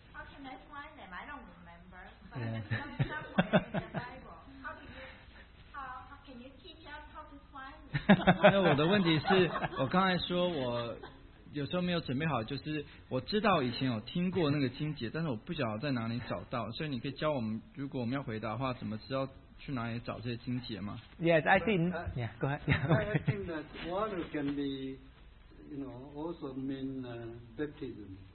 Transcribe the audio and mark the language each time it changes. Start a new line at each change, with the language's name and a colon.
English: how can I find them? I don't remember. Yes. But somewhere in the Bible, how can you teach us how to find them?
Chinese: 有时候没有准备好，就是我知道以前有听过那个经节，但是我不知道在哪里找到。所以你可以教我们，如果我们要回答的话，怎么知道去哪里找这些经节吗？
English: Yes, I think. Yeah, go ahead. Yeah, okay. I think that water can be, you know, also mean baptism.